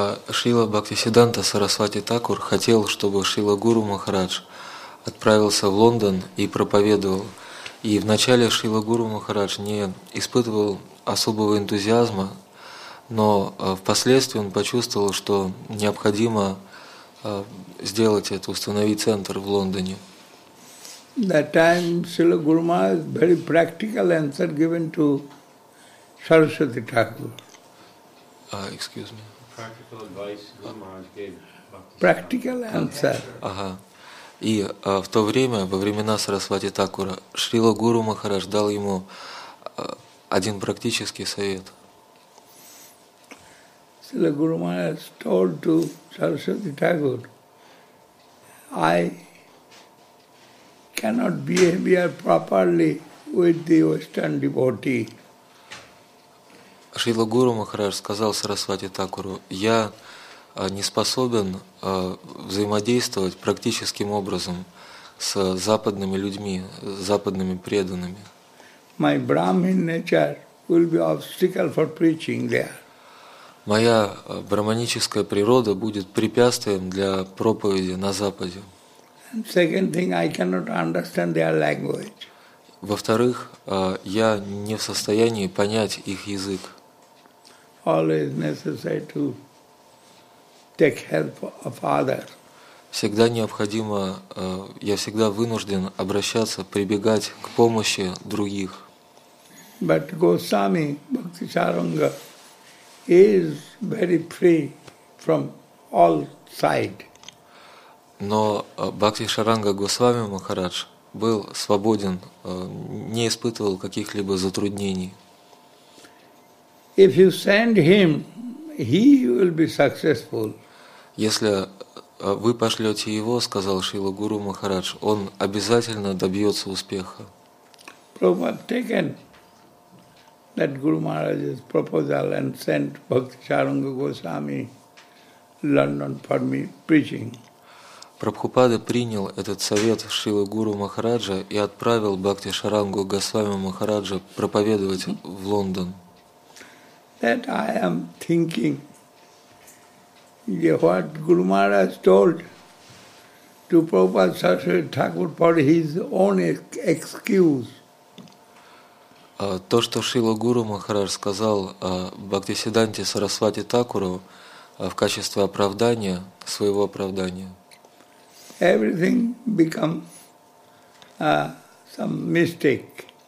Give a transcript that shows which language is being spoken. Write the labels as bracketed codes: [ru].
[ru] Шрила Бхактисиддханта Сарасвати Такур хотел, чтобы Шрила Гуру Махарадж отправился в Лондон и проповедовал. И вначале Шрила Гуру Махарадж не испытывал особого энтузиазма, но впоследствии он почувствовал, что необходимо сделать это, установить центр в Лондоне. [en] That time Srila Guru Maharaj very practical answer given to Saraswati Thakur. Excuse me. Practical advice Guru Maharaj gave. Practical answer. [ru] И в то время, во времена Сарасвати Такура, Шрила Гуру Махарадж дал ему один практический совет. [en] Srila Guru Maharaj told to Saraswati Thakur, I cannot behave properly with the Western devotee. [ru] Шрила Гуру Махарадж сказал Сарасвати Такуру, я не способен взаимодействовать практическим образом с западными людьми, с западными преданными. [en] My Brahmin nature will be obstacle for preaching there. [ru] Моя брахманическая природа будет препятствием для проповеди на Западе. [en] And second thing, I cannot understand their language. [ru] Во-вторых, я не в состоянии понять их язык. [en] Always necessary to take help of others. [ru] Всегда необходимо, я всегда вынужден обращаться, прибегать к помощи других. [en] But Goswami Bhaktisaranga is very free from all side. [ru] Но Бхактисаранга Госвами Махарадж был свободен, не испытывал каких-либо затруднений. [en] If you send him, he will be successful. [ru] Если вы пошлете его, сказал Шрила Гуру Махарадж, он обязательно добьется успеха. [en] Prabhupada taken that Guru Maharaj's proposal and sent Bhaktisaranga Goswami London for me preaching. [ru] Прабхупада принял этот совет Шрила Гуру Махараджа и отправил Бхактисарангу Госвами Махараджа проповедовать в Лондон. [en] That I am thinking, what Guru Maharaj told to Prabhupada Saraswati Thakur for his own excuse. [ru] То, что Шрила Гуру Махарадж сказал Бхактисиддханте Сарасвати Такуру, в качестве оправдания, своего оправдания. [en] Everything become some mistake.